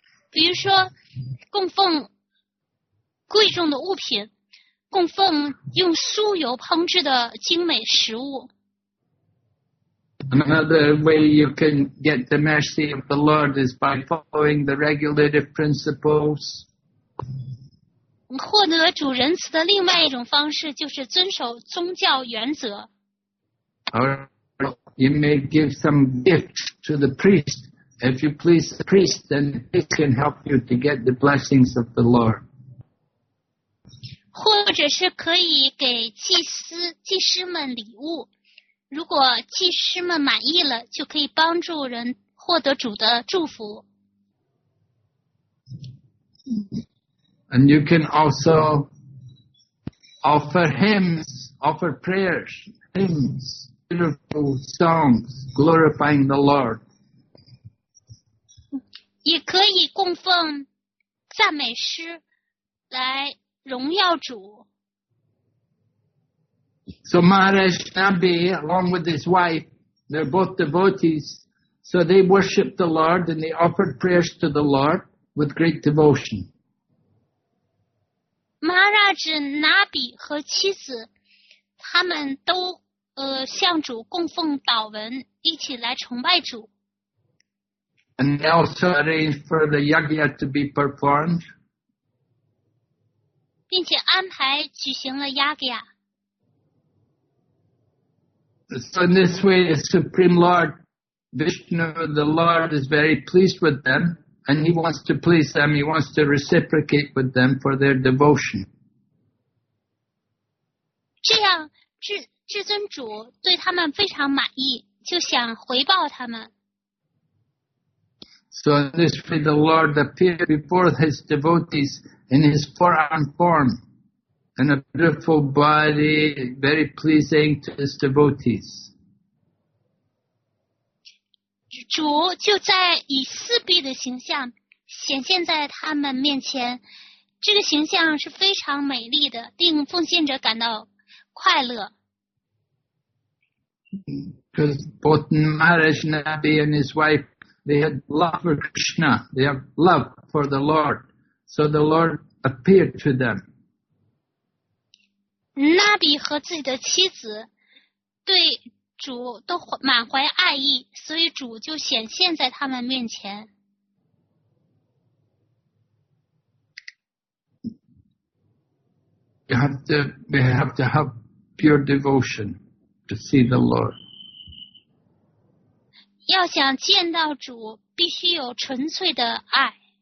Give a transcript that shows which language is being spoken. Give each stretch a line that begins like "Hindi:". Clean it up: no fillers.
Chinese: 比如说供奉贵重的物品，供奉用酥油烹制的精美食物。
English: Another way you can get the mercy of the Lord is by following the regulative principles.
Chinese: 获得主仁慈的另外一种方式就是遵守宗教原则。
English: Or you may give some gift to the priest. If you please the priest, then the priest can help you to get the blessings of the Lord.
Chinese: 或者是可以给祭师们礼物，如果祭师们满意了，就可以帮助人获得主的祝福。
English: And you can also offer hymns, offer prayers, hymns, beautiful songs, glorifying the Lord.
Chinese: 也可以供奉赞美诗来荣耀主。
English: So Maharaj Nabi, along with his wife, they're both devotees, so they worshipped the Lord and they offered prayers to the Lord with great devotion.
Chinese: Maharaj Nabi 和妻子他们都向主供奉祷文，一起来崇拜主。
English: And they also arranged for the yagya to be performed.
Chinese: 并且安排举行了 yagya.
English: So in this way, the Supreme Lord, Vishnu, the Lord is very pleased with them, and he wants to please them, he wants to reciprocate with them for their devotion.
Chinese: 这样至尊主对他们非常满意，就想回报他们。
English: So in this way, the Lord appeared before his devotees in his four-armed form, and a beautiful body, very pleasing to his devotees.
Chinese: 主就在以四臂的形象显现在他们面前，这个形象是非常美丽的，令奉献者感到快乐。
English: Because both Maharaj Nabi and his wife, they had love for Krishna. They have love for the Lord. So the Lord appeared to them.
Chinese: Nabi 和自己的妻子对主都满怀爱意，所以主就显现在他们面前。
English: We have to have pure devotion to see the Lord.
Chinese: 要想见到主，必须有纯粹的爱。